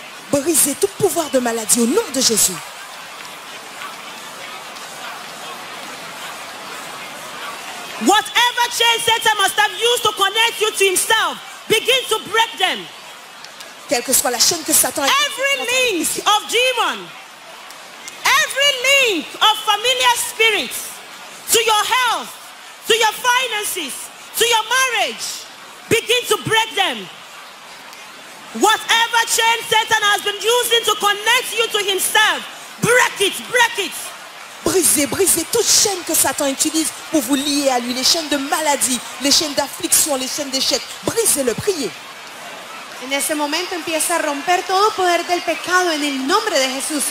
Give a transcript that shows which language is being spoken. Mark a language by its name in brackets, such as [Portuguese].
[French] Brisez tout pouvoir de maladie au nom de Jésus. [English] Whatever chain Satan must have used to connect you to himself, begin to break them. [French] Quelle que soit la chaîne que Satan a... [English] Every link of demon, every link of familiar spirits to your health, to your finances, to your marriage, begin to break them. Whatever chain Satan has been using to connect you to himself, break it, break it. [French] Brisez, brisez toute chaîne que Satan utilise pour vous lier à lui, les chaînes de maladie, les chaînes d'affliction, les chaînes d'échec. Brisez-le, priez. [Spanish] En ese momento empieza a romper todo poder del pecado en el nombre de Jesús.